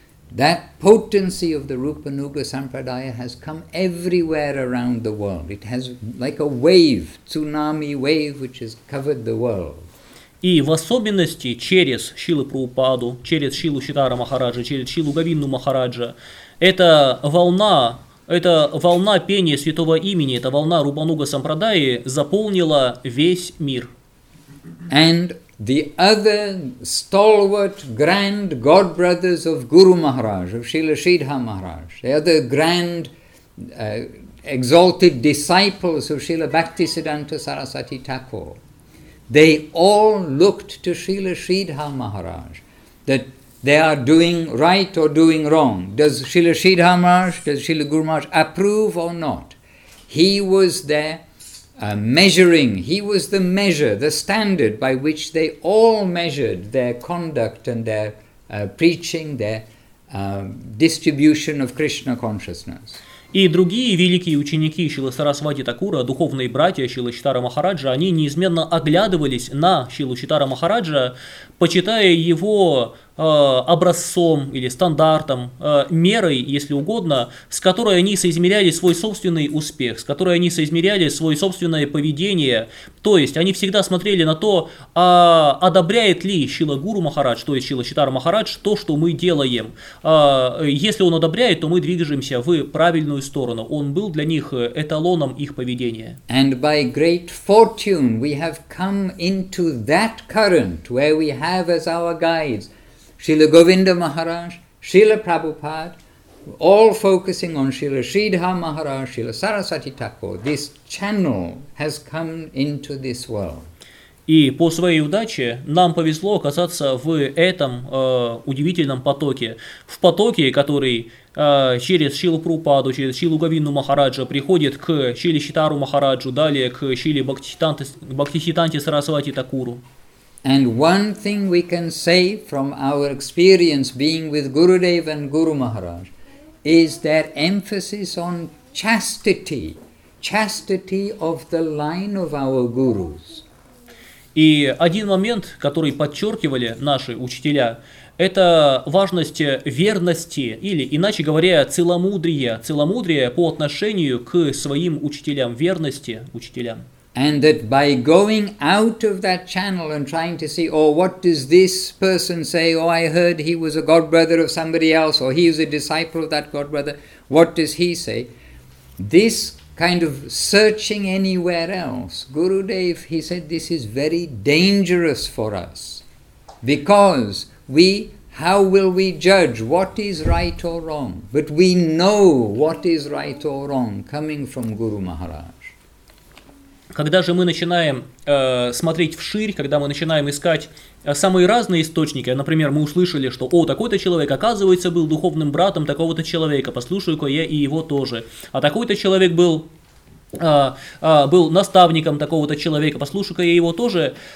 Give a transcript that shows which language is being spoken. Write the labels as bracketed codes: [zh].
[en] That potency of the Rupanuga Sampradaya has come everywhere around the world. It has like a wave, tsunami wave, which has covered the world. [ru] И в особенности через Шрилу Прабхупаду, через Шрилу Шридхара Махараджа, через Шрилу Говинду Махараджа, эта волна пения святого имени, эта волна Рупануга Сампрадаи заполнила весь мир. [en] And the other stalwart grand godbrothers of Guru Maharaj, of Srila Sridhar Maharaj, the other grand exalted disciples of Srila Bhaktisiddhanta Sarasvati Thakur, they all looked to Srila Sridhar Maharaj, that they are doing right or doing wrong. Does Srila Sridhar Maharaj, does Srila Guru Maharaj approve or not? He was there measuring, he was the measure, the standard by which they all measured their conduct and their preaching, their distribution of Krishna consciousness. [ru] И другие великие ученики Шрилы Сарасвати Такура, духовные братья Шрилы Шридхара Махараджа, они неизменно оглядывались на Шрилу Шридхара Махараджа, почитая его образцом или стандартом, мерой, если угодно, с которой они соизмеряли свой собственный успех, с которой они соизмеряли свое собственное поведение. То есть они всегда смотрели на то, одобряет ли Шрила Гуру Махарадж, то есть Шрила Шридхара Махарадж, то, что мы делаем. Если он одобряет, то мы движемся в правильную сторону. Он был для них эталоном их поведения. [en] And by great fortune we have come into that current where we have as our guides Srila Govinda Maharaj, Srila Prabhupada, all focusing on Srila Sridhar Maharaj, Srila Sarasvati Thakur, this channel has come into this world. [ru] И по своей удаче нам повезло оказаться в этом удивительном потоке, в потоке, который через Шрилу Прабхупаду, через Шрилу Говинду Махараджа приходит к Шриле Шридхару Махараджу, далее к Шриле Бхактисиддханте Сарасвати Такуру. [en] And one thing we can say from our experience being with Gurudev and Guru Maharaj is their emphasis on chastity, chastity of the line of our gurus. [ru] И один момент, который подчеркивали наши учителя, это важность верности, или, иначе говоря, целомудрия, целомудрия по отношению к своим учителям, верности учителям. [en] And that by going out of that channel and trying to see, oh, what does this person say? Oh, I heard he was a godbrother of somebody else, or he is a disciple of that godbrother. What does he say? This kind of searching anywhere else, Gurudev, he said, this is very dangerous for us. Because we, how will we judge what is right or wrong? But we know what is right or wrong coming from Guru Maharaj. [ru] Когда же мы начинаем смотреть вширь, когда мы начинаем искать самые разные источники, например, мы услышали, что «О, такой-то человек, оказывается, был духовным братом такого-то человека, послушаю-ка я и его тоже, а такой-то человек был наставником такого-то человека, послушаю-ка я его тоже».